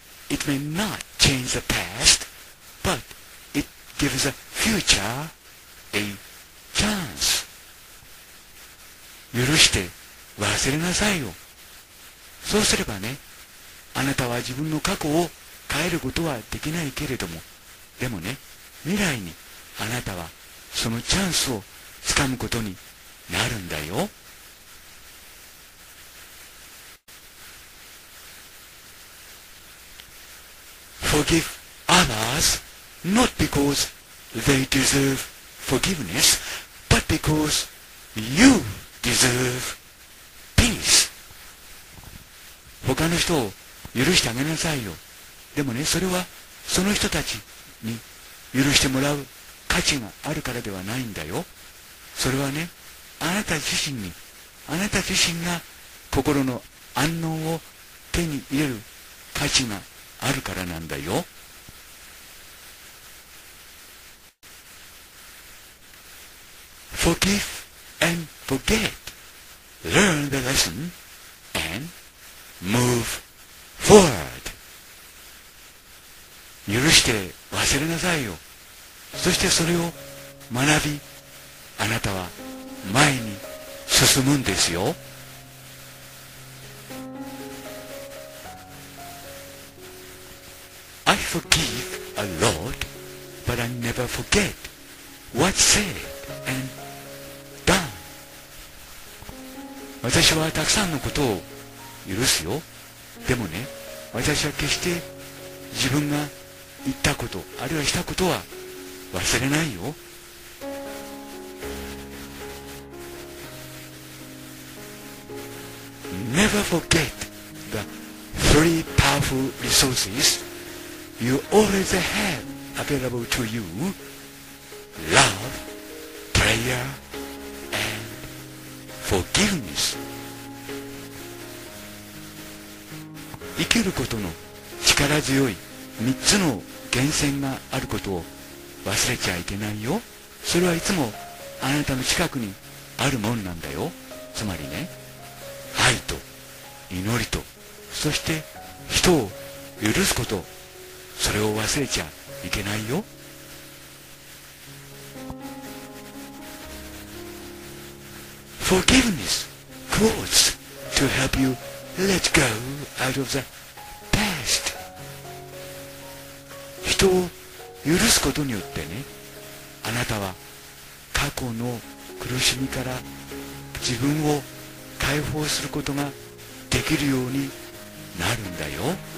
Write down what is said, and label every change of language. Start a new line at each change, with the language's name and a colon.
English: It may not change the past, but it gives the future a chance.
Japanese: 許して忘れなさいよ。そうすればね、あなたは自分の過去を変えることはできないけれども、でもね、未来にあなたはそのチャンスをつかむことになるんだよ。
English: Forgive others not because they deserve forgiveness, but because you deserve peace.
Japanese: 他の人を許してあげなさいよ。でもね、それはその人たちに許してもらう価値があるからではないんだよ。それはね、あなた自身が心の安穏を手に入れる価値があるからなんだよ。
English: Forgive and forget. Learn the lesson and move forward.
Japanese: 許して忘れなさいよ。そしてそれを学び、あなたは前に進むんですよ。
English: I forgive a lot, but I never forget what's said and done.
Japanese: 私はたくさんのことを許すよ。でもね、私は決して自分が言ったこと、あるいはしたことは忘れないよ。
English: Never forget the three powerful resources you always have available to you, love, prayer, and forgiveness.
Japanese: 生きることの力強い三つの源泉があることを忘れちゃいけないよ。それはいつもあなたの近くにあるもんなんだよ。つまりね、愛と祈りと、そして人を許すこと、それを忘れちゃいけないよ。
English: Forgiveness quotes to help you let go out of the past.
Japanese: 人を許すことによってね、あなたは過去の苦しみから自分を解放することができるようになるんだよ。